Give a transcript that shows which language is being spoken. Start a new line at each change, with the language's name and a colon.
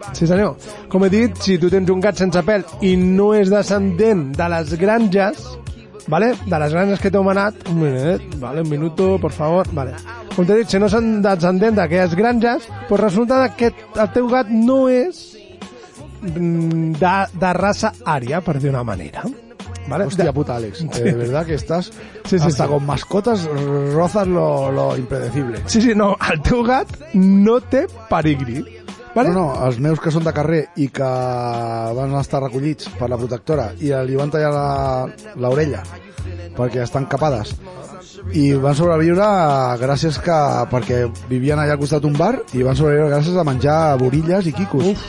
Catalan: Sí, senyor. Com he dit, si tu tens un gat sense pèl i no és descendent de les granges, vale? De les granges que t'heu manat... Un minut, vale?
Spanish: Un minuto, por favor.
Catalan: Vale. Com t'he dit, si no són descendent d'aquelles granges, pues resulta que el teu gat no és de raça ària, per dir una manera. ¿Vale?
Spanish: Hostia puta, Alex, de verdad que estás con mascotas rozas lo impredecible.
Catalan: Sí, sí, no, el teu gat no té parigri. ¿Vale? No, no, els meus que són de carrer i que van estar recollits per la protectora i li van tallar l'orella perquè estan capades i van sobreviure gràcies que perquè vivien allà al costat d'un bar i van sobreviure gràcies a menjar burilles i quicos.